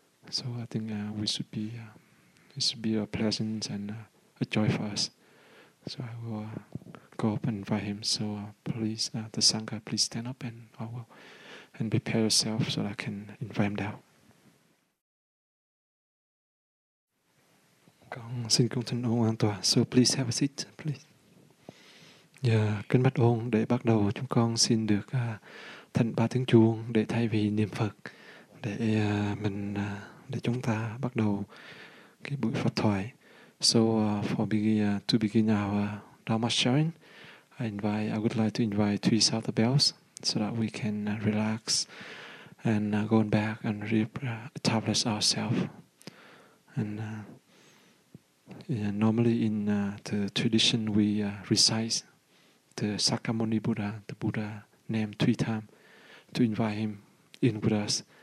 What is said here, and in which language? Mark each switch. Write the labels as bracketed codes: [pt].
[en] So I think it should be a pleasant and a joy for us. So I will go up and invite him. So please, the sangha, please stand up and I will and prepare yourself so I can invite him down. [vi] Xin cung thân ông an toàn. [en] So please have a seat, please. [vi] Dạ, kính bạch ông, để bắt đầu chúng con xin được thỉnh ba tiếng chuông để thay vì niệm Phật, để mình để chúng ta bắt đầu cái buổi pháp thoại. [en] So to begin our Dharma sharing, I would like to invite three sound bells so that we can relax and go back and re-establish ourselves. And normally in the tradition, we recite the Sakyamuni Buddha, the Buddha name three times to invite him in with us.